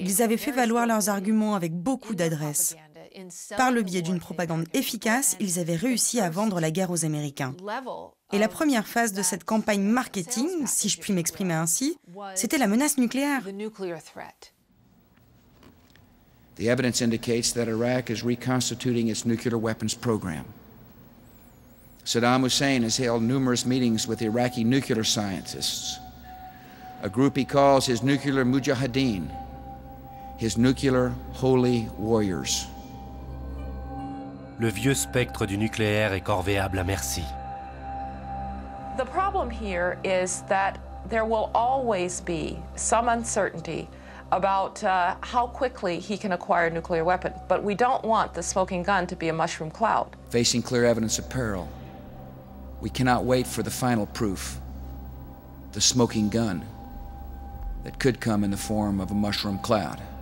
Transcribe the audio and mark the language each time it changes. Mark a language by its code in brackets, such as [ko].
[fr] Ils avaient fait valoir leurs arguments avec beaucoup d'adresse. Par le biais d'une propagande efficace, ils avaient réussi à vendre la guerre aux Américains. Et la première phase de cette campagne marketing, si je puis m'exprimer ainsi, c'était la menace nucléaire. [en] The evidence indicates that Iraq is reconstituting its nuclear weapons program. Saddam Hussein has held numerous meetings with Iraqi nuclear scientists, a group he calls his nuclear mujahideen, his nuclear holy warriors. [fr] Le vieux spectre du nucléaire est corvéable à merci. [en] The problem here is that there will always be some uncertainty about how quickly he can acquire a nuclear weapon. But we don't want the smoking gun to be a mushroom cloud. Facing clear evidence of peril, we cannot wait for the final proof, the smoking gun, that could come in the form of a mushroom cloud.